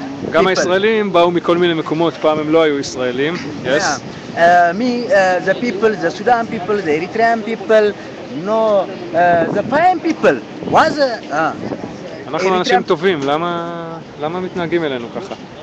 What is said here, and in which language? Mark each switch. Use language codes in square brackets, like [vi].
[he] גם הישראלים באו מכל מיני מקומות, פעם הם לא היו ישראלים. [en] Yes. Me, the people, the Sudan people, the Eritrean people, no, the Payam people. Was a [he] אנחנו Eritrean... אנשים טובים, למה מתנהגים אלינו ככה?